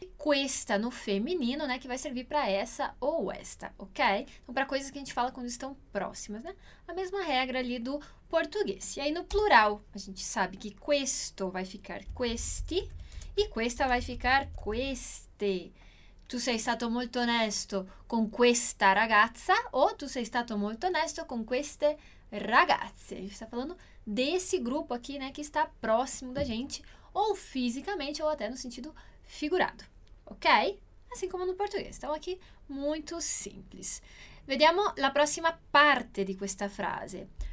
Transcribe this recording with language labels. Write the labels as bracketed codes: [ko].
[pt] Questa no feminino, né? Que vai servir para essa ou esta, ok? Então, para coisas que a gente fala quando estão próximas, né? A mesma regra ali do português. E aí no plural, a gente sabe que questo vai ficar questi e questa vai ficar queste. [it] Tu sei stato molto onesto con questa ragazza o tu sei stato molto onesto con queste ragazze? [pt] Sta falando desse grupo aqui, né, que está próximo da gente, ou fisicamente ou até no sentido figurado. Ok? Assim como no português. Então aqui muito simples. [it] Vediamo la prossima parte di questa frase.